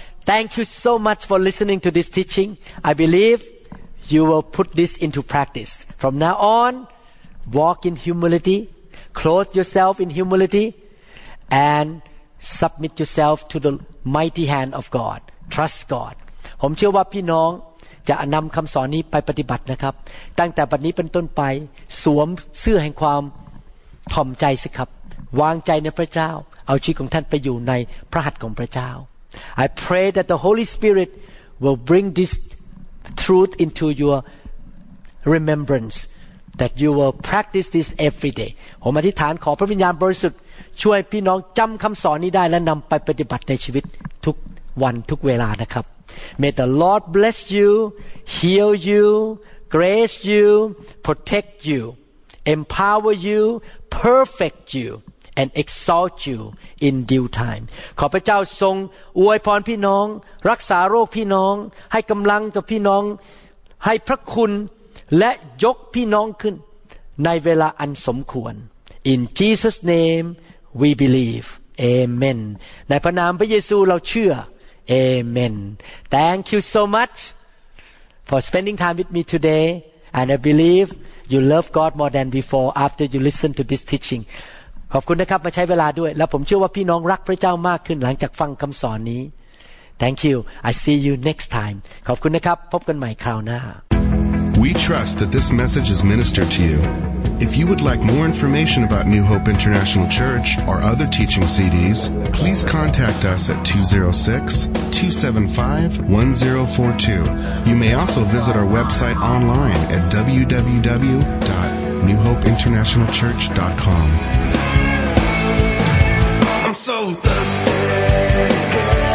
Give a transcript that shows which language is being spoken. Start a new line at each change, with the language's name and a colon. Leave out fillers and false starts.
English: Thank you so much for listening to this teaching. I believe you will put this into practice. From now on, walk in humility, clothe yourself in humility, and submit yourself to the mighty hand of God. Trust God.
Thai: ผมเชื่อว่าพี่น้องจะนำคำสอนนี้ไปปฏิบัตินะครับตั้งแต่บัดนี้เป็นต้นไปสวมเสื้อแห่งความถ่อมใจสิครับวางใจในพระเจ้าเอาชีวิตของท่านไปอยู่ในพระหัตถ์ของพระเจ้า
English: I pray that the Holy Spirit will bring this truth into your remembrance, that you will practice this every day.
Thai: ผมอธิษฐานขอพระวิญญาณบริสุทธิ์ช่วยพี่น้องจำคำสอนนี้ได้และนำไปปฏิบัติในชีวิตทุกวันทุกเวลานะครับ
English: May the Lord bless you, heal you, grace you, protect you, empower you, perfect you. And exalt you in due time.
Thai: ขอพระเจ้าทรงอวยพรพี่น้องรักษาโรคพี่น้องให้กำลังกับพี่น้องให้พระคุณและยกพี่น้องขึ้นในเวลาอันสมควร
English: In Jesus' name we believe. Amen.
Thai: ในพระนามพระเยซูเราเชื่อ
English: Amen. Thank you so much for spending time with me today. And I believe you love God more than before after you listen to this teaching.
Thai: ขอบคุณนะครับมาใช้เวลาด้วยและผมเชื่อว่าพี่น้องรักพระเจ้ามากขึ้นหลังจากฟังคำสอนนี้
English: Thank you. I see you next time.
Thai: ขอบคุณนะครับพบกันใหม่คราวหน้า
English: We trust that this message is ministered to you. If you would like more information about New Hope International Church or other teaching CDs, please contact us at 206-275-1042. You may also visit our website online at www.newhopeinternationalchurch.com. I'm so thirsty.